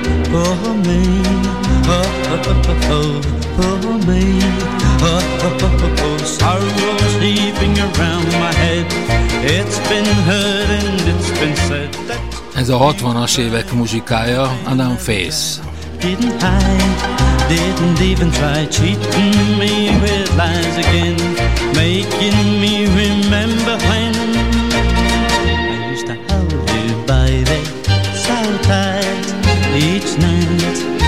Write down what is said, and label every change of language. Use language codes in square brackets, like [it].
[en] For me, oh, oh, oh, oh, for me, oh, oh, oh, oh, sorrow's heaping around my head. It's been heard and it's been said that. [hu] Ez a 60-as évek muzsikája, Adam Face. [en] Didn't hide, didn't even try, cheating me with lies again, making me remember when I used to hold you by the so tight each night.